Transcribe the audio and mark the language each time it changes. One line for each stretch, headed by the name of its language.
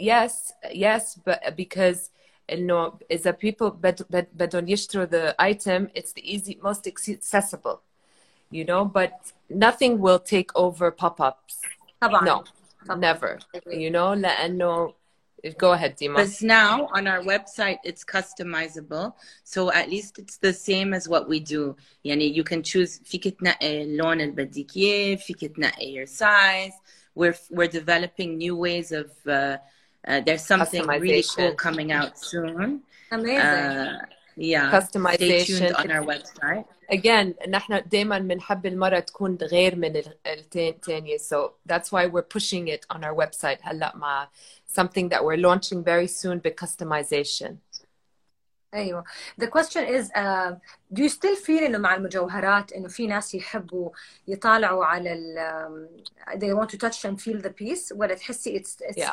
English: Yes, but because
Arabic: إنه
English: is a people
Arabic: بدون يشتروا
English: the item, it's the easy, most accessible, you know. But nothing will take over pop-ups.
Arabic: طبعاً.
English: No,
Arabic: طبعاً.
English: Never, you know.
Arabic: لأنه,
English: go ahead, Dima. But now on our website, it's customizable. So at least it's the same as what we do.
Arabic: يعني
English: you can choose
Arabic: فيك تنقي اللون اللي بدك إياه, فيك تنقي
English: your size. We're developing new ways of there's something really cool coming out soon. Amazing. Customization. Stay tuned on our website. Again,
Arabic: نحن دائما بنحب المرأة تكون غير من التانية.
English: So that's why we're pushing it on our website.
Arabic: هلا مع
English: something that we're launching very soon, but customization.
Arabic: أيوه.
English: The question is, do you still feel
Arabic: إنه مع المجوهرات إنه في ناس يحبوا يطالعوا على ال
English: they want to touch and feel the piece,
Arabic: ولا تحسي
English: it's yeah.